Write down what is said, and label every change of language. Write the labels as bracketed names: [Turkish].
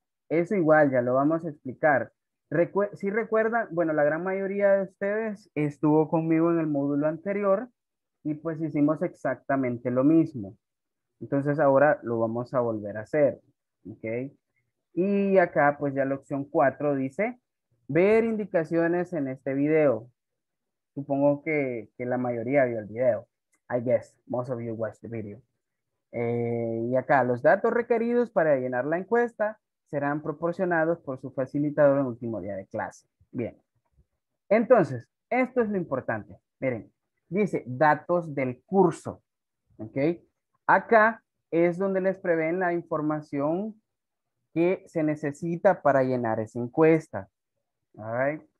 [Spanish] Eso igual, ya lo vamos a explicar. Si recuerdan, bueno, la gran mayoría de ustedes estuvo conmigo en el módulo anterior y pues hicimos exactamente lo mismo. Entonces ahora lo vamos a volver a hacer, ¿ok? Y acá pues ya la opción 4 dice, ver indicaciones en este video. Supongo que la mayoría vio el video. [English] I guess most of you watched the video. [Spanish] Y acá, los datos requeridos para llenar la encuesta serán proporcionados por su facilitador en el último día de clase. Bien. Entonces, esto es lo importante. Miren, dice datos del curso. ¿Ok? Acá es donde les prevén la información que se necesita para llenar esa encuesta. [English] All right.